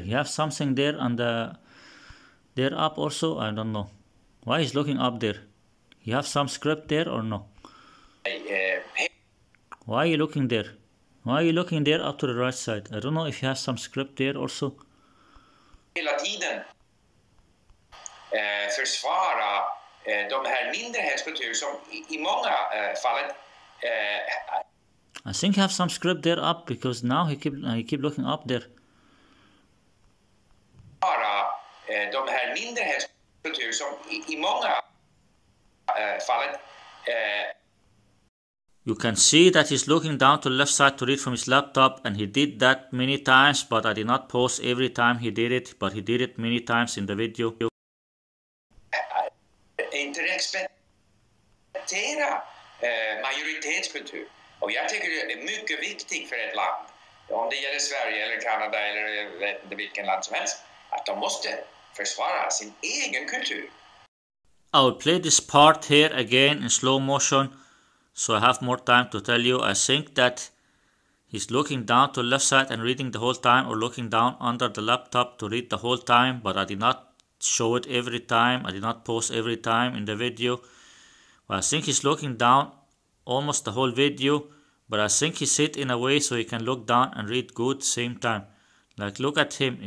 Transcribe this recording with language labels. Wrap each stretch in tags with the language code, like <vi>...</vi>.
<en>He have something there on the there up also? I don't know. Why is he looking up there? He have some script there or no? Why are you looking there? Why are you looking there up to the right side? I don't know if he has some script there also.</en> <sv>Hela tiden. Försvara de här mindre hästkulturer som i många fallet</sv> <en>I think he have some script there up because now he keep looking up there.</en> <sv>Bara de här mindre hästkulturer som i många fallet</sv> <en>You can see that he's looking down to the left side to read from his laptop, and he did that many times, but I did not pause every time he did it, but he did it many times in the video.</en> <sv>Inte respektera majoritetskultur. Och jag tycker det är mycket viktigt för ett land, om det gäller Sverige eller Kanada eller vilken land som helst, att de måste försvara sin egen kultur.</sv> <en>I will play this part here again in slow motion, so I have more time to tell you. I think that he's looking down to the left side and reading the whole time, or looking down under the laptop to read the whole time, but I did not show it every time. I did not pause every time in the video. Well, I think he's looking down almost the whole video, but I think he sit in a way so he can look down and read good same time. Like, look at him.</en>